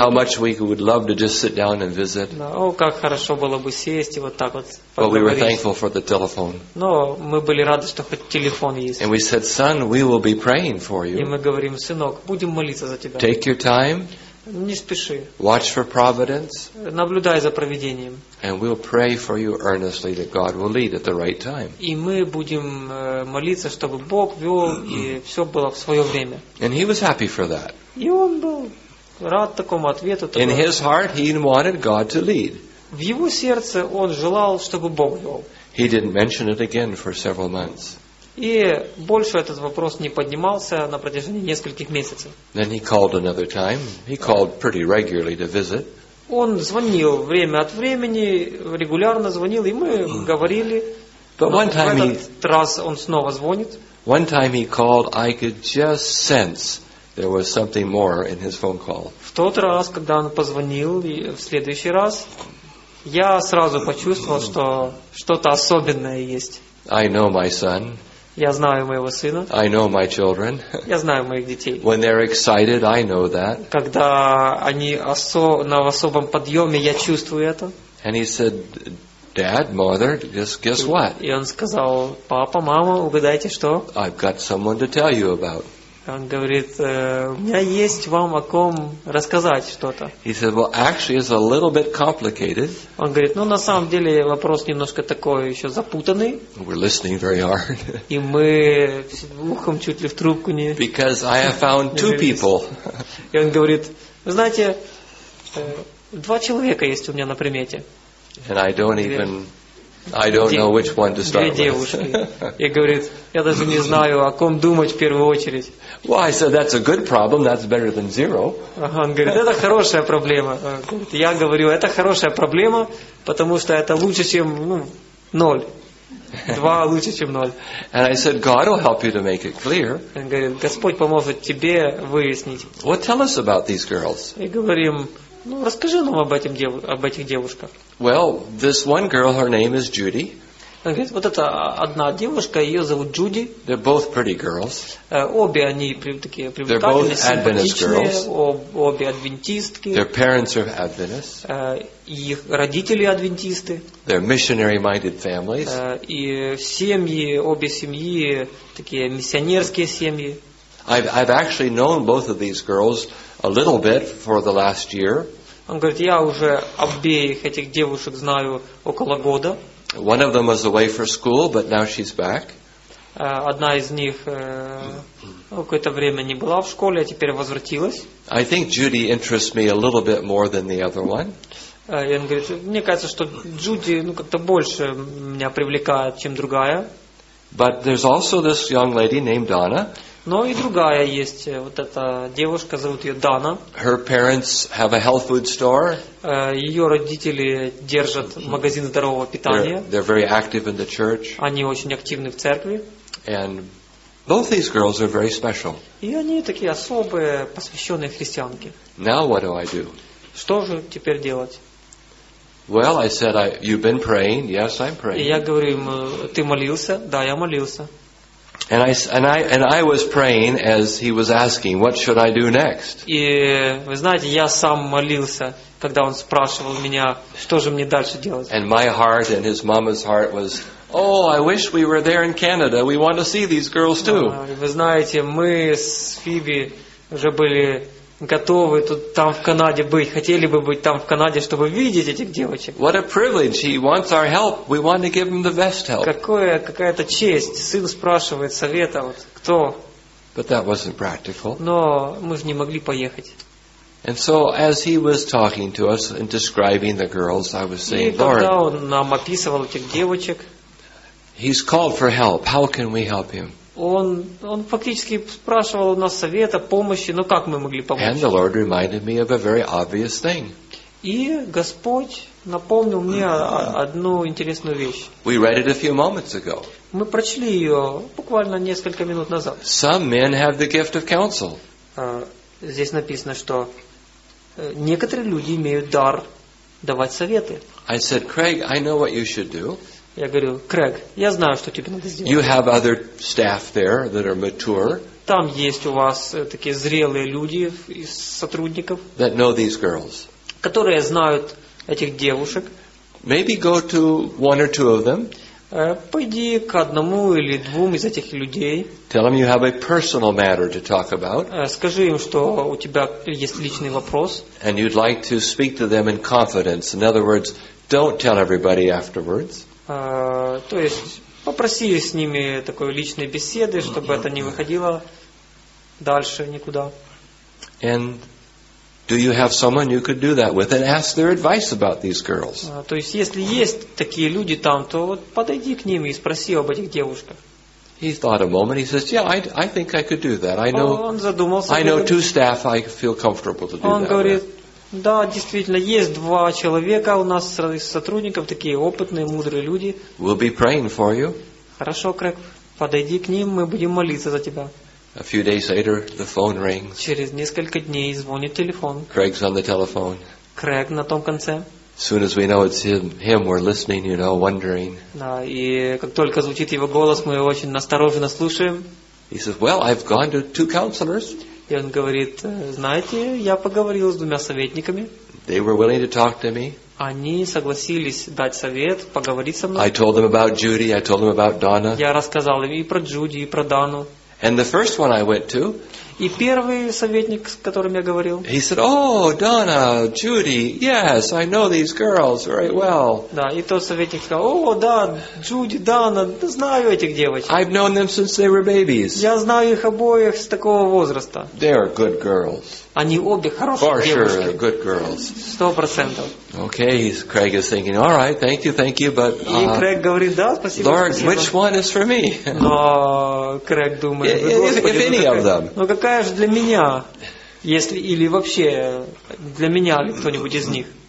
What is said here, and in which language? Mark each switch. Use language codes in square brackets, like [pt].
[en] How much we would love to just sit down and visit. [ru] О, как хорошо было бы сесть и вот так вот поговорить. [en] But we were thankful for the telephone. [ru] Но мы были рады, что хоть телефон есть. [en] And we said, son, we will be praying for you. [ru] И мы говорим, сынок, будем молиться за тебя. [en] Take your time. [ru] Не спеши. [en] Watch for providence. [ru] Наблюдай за провидением. [en] And we'll pray for you earnestly that God will lead at the right time. [ru] И мы будем молиться, чтобы Бог вел и все было в свое время. [en] And he was happy for that. [ru] И он был рад такому ответу. [en] In his heart, he wanted God to lead. [ru] В его сердце он желал, чтобы Бог вел. [en] He didn't mention it again for several months. [ru] И больше этот вопрос не поднимался на протяжении нескольких месяцев. [en] Then he called another time. He called pretty regularly to visit. [ru] Он звонил время от времени, регулярно звонил, и мы говорили. [en] But one time [ru] в этот раз он снова звонит. [en] One time he called, I could just sense There was something more in his phone call. [ru] В тот раз, когда он позвонил, и в следующий раз, я сразу почувствовал, что что-то особенное есть. [en] I know my son. [ru] Я знаю моего сына. [en] I know my children. [ru] Я знаю моих детей. [en] When they're excited, I know that. [ru] Когда они на особом подъеме, я чувствую это. [en] And he said, Dad, mother, guess what? [ru] И он сказал, папа, мама, угадайте что? [en] I've got someone to tell you about. [ru] Он говорит, у меня есть вам о ком рассказать что-то. [en] He said, well, actually, it's a little bit complicated. [ru] Он говорит, ну, на самом деле, вопрос немножко такой еще запутанный. [en] We're listening very hard. [ru] И мы ухом чуть ли в трубку не... [en] Because I have found two people. [ru] И он говорит, вы знаете, два человека есть у меня на примете. [en] And I don't even... I don't know which one to start with. [ru] И говорит, я даже не знаю, о ком думать в первую очередь. [en] Well, I said, that's a good problem, that's better than zero. [ru] Он говорит, это хорошая проблема. Я говорю, это хорошая проблема, потому что это лучше, чем ноль. Два лучше, чем ноль. [en] And I said, God will help you to make it clear. [ru] Он говорит, Господь поможет тебе выяснить. [en] Well, tell us about these girls. [ru] И говорим... Ну, расскажи нам об этих девушках. [en] Well, this one girl, her name is Judy. [ru] Она говорит, вот эта одна девушка, ее зовут Джуди. [en] They're both pretty girls. [ru] Обе они такие привлекательные, симпатичные. Обе адвентистки. [en] Their parents are Adventists. [ru] Их родители адвентисты. [en] They're missionary-minded families. [ru] И семьи, обе семьи такие миссионерские семьи. [en] I've actually known both of these girls a little bit for the last year. [ru] Он говорит, я уже обеих этих девушек знаю около года. [en] One of them was away for school, but now she's back. [ru] Одна из них какое-то время не была в школе, а теперь возвратилась. [en] I think Judy interests me a little bit more than the other one. [ru] И он говорит, мне кажется, что Джуди как-то больше меня привлекает, чем другая. [en] But there's also this young lady named Donna. [ru] Но и другая есть, вот эта девушка, зовут ее Дана. [en] Her parents have a health food store. [ru] Ее родители держат магазин здорового питания. [en] They're very active in the church. [ru] Они очень активны в церкви. [en] And both these girls are very special. [ru] И они такие особые, посвященные христианки. [en] Now what do I do? [ru] Что же теперь делать? [en] Well, I said, you've been praying. Yes, I'm praying. [ru] И я говорю им, ты молился? Да, я молился. [en] And I was praying as he was asking, what should I do next? [ru] И вы знаете, я сам молился, когда он спрашивал меня, что же мне дальше делать. [en] And my heart and his mama's heart was, oh, I wish we were there in Canada. We want to see these girls too. [ru] Вы знаете, мы с Фиби уже были готовы тут там в Канаде быть, хотели бы быть там в Канаде, чтобы видеть этих девочек. [en] What a privilege! He wants our help. We want to give him the best help. [ru] Какая-то честь. Сын спрашивает совета. Вот кто? [en] But that wasn't practical. [ru] Но мы же не могли поехать. [en] And so, as he was talking to us and describing the girls, I was saying, Lord. [ru] И когда он нам описывал этих девочек. [en] He's called for help. How can we help him? [ru] Он фактически спрашивал у нас совета, помощи, но как мы могли помочь? [en] And the Lord reminded me of a very obvious thing. [ru] И Господь напомнил мне одну интересную вещь. [en] We read it a few moments ago. [ru] Мы прочли ее буквально несколько минут назад. [en] Some men have the gift of counsel. [ru] Здесь написано, что некоторые люди имеют дар давать советы. [en] I said, Craig, I know what you should do. [ru] Я говорю, Крэг, я знаю, что тебе надо сделать. [en] You have other staff there that are mature. [ru] Там есть у вас такие зрелые люди из сотрудников. [en] That know these girls. [ru] Которые знают этих девушек. [en] Maybe go to one or two of them. [ru] Пойди к одному или двум из этих людей. [en] Tell them you have a personal matter to talk about. [ru] Скажи им, что у тебя есть личный вопрос. [en] And you'd like to speak to them in confidence. In other words, don't tell everybody afterwards. [ru] То есть попроси с ними такой личной беседы, чтобы это не выходило дальше никуда. [en] And do you have someone you could do that with and ask their advice about these girls? [ru] То есть если есть такие люди там, то вот подойди к ним и спроси об этих девушках. [en] He thought a moment. He says, "Yeah, I think I could do that. I know. [ru] Он задумался. [en] I know two staff. I feel comfortable to do that." [ru] Он говорит. Да, действительно, есть два человека у нас из сотрудников, такие опытные, мудрые люди. [en] We'll be praying for you. [ru] Хорошо, Крэг, подойди к ним, мы будем молиться за тебя. [en] A few days later, the phone rings. [ru] Через несколько дней звонит телефон. [en] Craig's on the telephone. [ru] Craig на том конце. [en] Soon as we know it's him, we're listening, you know, wondering. [ru] Да, и как только звучит его голос, мы очень настороженно слушаем. [en] He says, "Well, I've gone to two counselors." [ru] И он говорит, знаете, я поговорил с двумя советниками. [en] They were willing to talk to me. [ru] Они согласились дать совет, поговорить со мной. [en] I told them about Judy. I told them about Donna. [ru] Я рассказал им и про Джуди, и про Дану. [en] And the first one I went to. [ru] И первый советник, с которым я говорил. [en] He said, "Oh, Donna, Judy, yes, I know these girls very well." [ru] Да, и тот советник сказал, "О, да, Джуди, Дана, знаю этих девочек." [en] I've known them since they were babies. [ru] Я знаю их обоих с такого возраста. [en] They are good girls. [ru] Они обе хорошие девушки. [en] For sure, good girls. [ru] 100%. [en] Okay, Craig is thinking, "All right, thank you, but." [ru] И Крэг говорит, да, спасибо. [en] Lord, which one is for me? [ru] Но Крэг думает, [en] if any of them. [ru] Какая же для меня, если или вообще для меня ли кто-нибудь из них?